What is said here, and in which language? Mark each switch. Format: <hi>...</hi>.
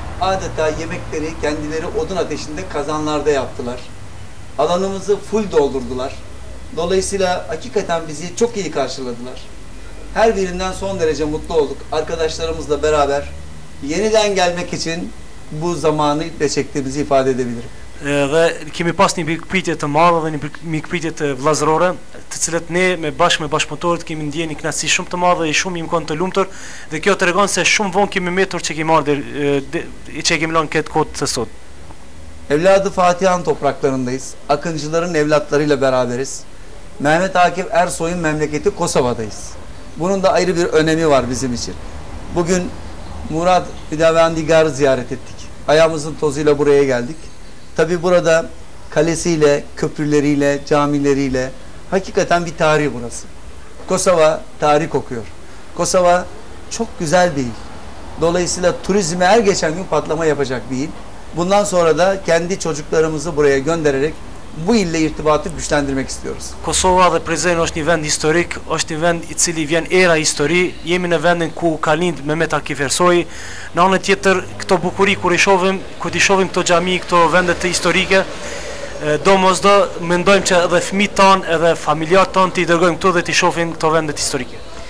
<tr>Adeta yemekleri kendileri odun ateşinde kazanlarda yaptılar. Alanımızı full doldurdular. Dolayısıyla hakikaten bizi çok iyi karşıladılar. Her birinden son derece mutlu olduk. Arkadaşlarımızla beraber yeniden gelmek için bu zamanı iple çektiğimizi ifade edebilirim.</tr> <sq>Ve kimi pas një pikpitje të madhe dhe një pikpitje të vlazërore, të cilët ne me bashkë me bashkëpunëtorët kemi ndjenë një kënaqësi shumë të madhe dhe shumë jemi të lumtur, dhe kjo tregon se shumë vonë kemi mbetur që kemi marrë deri që kemi lënë këtë kohë të sot.</sq> <tr>Evladı Fatiha'nın topraklarındayız. Akıncıların evlatlarıyla beraberiz. Mehmet Akif Ersoy'un memleketi Kosova'dayız. Bunun da ayrı bir önemi var bizim için. Bugün Murat Hüdavendigar'ı ziyaret ettik. Ayağımızın tozuyla buraya geldik. Tabii burada kalesiyle, köprüleriyle, camileriyle hakikaten bir tarih burası. Kosova tarih kokuyor. Kosova çok güzel bir il. Dolayısıyla turizme her geçen gün patlama yapacak bir il. Bundan sonra da kendi çocuklarımızı buraya göndererek bu ille irtibatı güçlendirmek istiyoruz.</tr> <sq>Kosova dhe Prizren është një vend historik, është një vend i cili vjen era histori. Jemi në vendin ku ka lind Mehmet Akif Ersoj. Në anën tjetër, këto bukuri kur i shohim, kur i shohim këto xhami, këto vende të historike, domosdo mendojmë që edhe fëmijët tan, edhe familjarët tan të i dërgojmë këtu dhe të shohin këto vende historike.</sq>